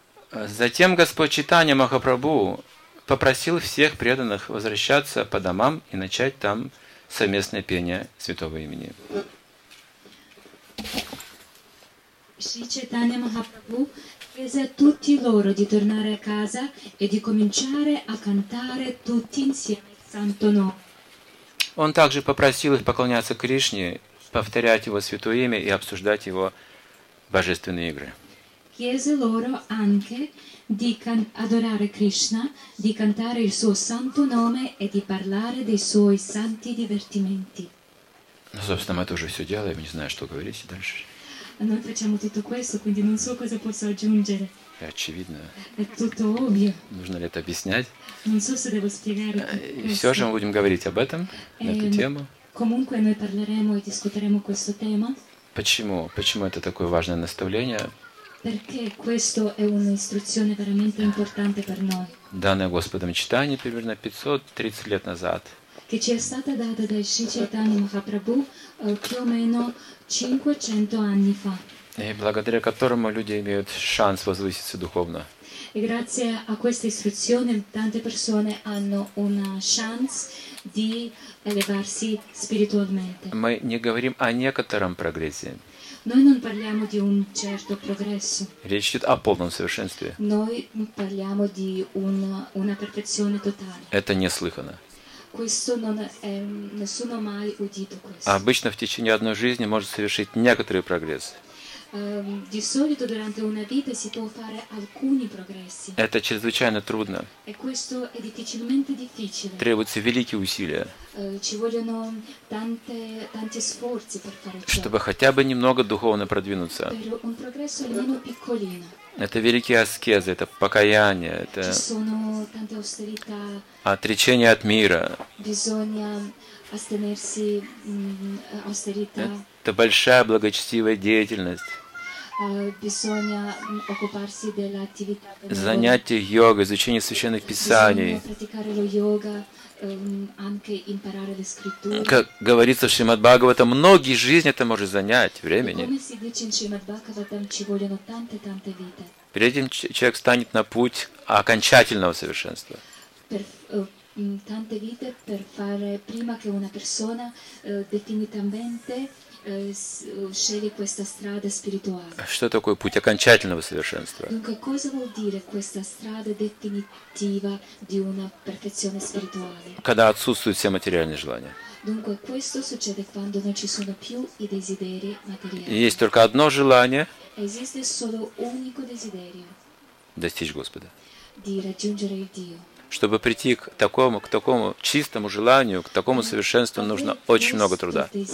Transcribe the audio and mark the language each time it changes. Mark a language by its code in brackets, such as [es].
[ru] Затем Господь Чайтанья Махапрабху попросил всех преданных возвращаться по домам и начать там совместное пение святого имени. [it] Шри Чайтанья Махапрабху chiese a tutti loro di tornare a casa e di cominciare a cantare tutti insieme il santo nome. [ru] Он также попросил их поклоняться Кришне, повторять его святое имя и обсуждать его божественные игры. [it] Chiese loro anche di adorare Krishna, di cantare il suo santo nome e di parlare dei suoi santi divertimenti. [ru] Ну, собственно, мы это уже все делаем, не знаю, что говорить дальше. [it] Noi facciamo tutto questo, quindi non so cosa posso aggiungere. È [ru] очевидно. [it] È tutto ovvio. [ru] Нужно ли это объяснять? [it] Non so se devo spiegare. [ru] Все же мы будем говорить об этом, на эту тему. [it] Comunque noi parleremo e discuteremo questo tema. [ru] Почему? Почему это такое важное наставление? [it] Perché questo è un'istruzione veramente importante per noi. [ru] Данное Господом Чайтанья примерно 530 лет назад. [it] Che ci è stata data da Sri Chaitanya Mahaprabhu più o meno 500 anni fa. [ru] И благодаря которому люди имеют шанс возвыситься духовно. [it] E grazie a questa istruzione tante persone hanno una chance di elevarsi spiritualmente. [ru] Мы не говорим о некотором прогрессе. [it] Noi non parliamo di un certo progresso. [ru] Речь идет о полном совершенстве. [it] Noi parliamo di una perfezione totale. [ru] Это неслыханно. [it] Questo non è nessuno mai udito questo. [ru] Обычно в течение одной жизни можно совершить некоторый прогресс. [it] Di solito durante una vita si può fare alcuni progressi. [ru] Это чрезвычайно трудно. [it] E questo è difficilmente difficile. [ru] Требуются великие усилия. [it] Ci vogliono tanti sforzi per fare ciò. [ru] Чтобы хотя бы немного духовно продвинуться. [it] Per un progresso almeno piccolino. [ru] Это великие аскезы, это покаяние, это [it] ci sono tante austerità. [ru] Отречение от мира. [it] Bisogna astenersi austerità. [ru] Это большая благочестивая деятельность. [it] Bisogna occuparsi dell'attività. [ru] Занятие йогой, изучение священных писаний. [it] Bisogna praticare lo yoga, anche imparare le scritture. [ru] Как говорится в Шримад Бхагаватам, многие жизни это может занять времени. [it] Come si dice in Shrimad Bhagavatam, ci vogliono tante vite. [ru] Перед этим человек станет на путь окончательного совершенства. [it] Tante vite per fare prima che una persona definitivamente scegli questa strada spirituale. [ru] Что такое путь окончательного совершенства? [it] Dunque, cosa vuol dire questa strada definitiva di una perfezione spirituale? [ru] Когда отсутствуют все материальные желания. [it] Dunque, questo succede quando non ci sono più i desideri materiali. [ru] Есть только одно желание. [it] Esiste solo unico desiderio. [ru] Достичь Господа. [it] Di raggiungere il Dio. [ru] Чтобы прийти к такому чистому желанию, к такому совершенству, нужно очень много труда.